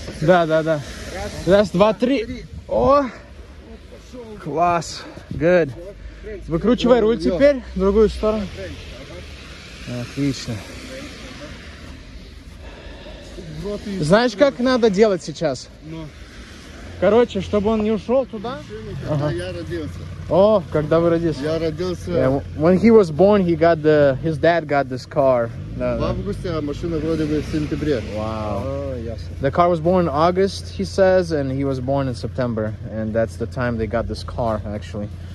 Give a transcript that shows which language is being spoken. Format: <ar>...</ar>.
<ru>Да, да, да. Раз, два, три. О! Класс.</ru> <en>Good.</en> <ru>Выкручивай руль теперь в другую сторону. Отлично. Знаешь, как надо делать сейчас? Короче, чтобы он не ушел туда. Ага. Oh, когда вы родились? Я родился.</ru> <en>Yeah, when he was born, he got the his dad got this car. No,</en> <ru>в августе, а машина вроде бы в сентябре. Wow. Oh, ясно.</ru> <en>The car was born in August, he says, and he was born in September, and that's the time they got this car actually.</en>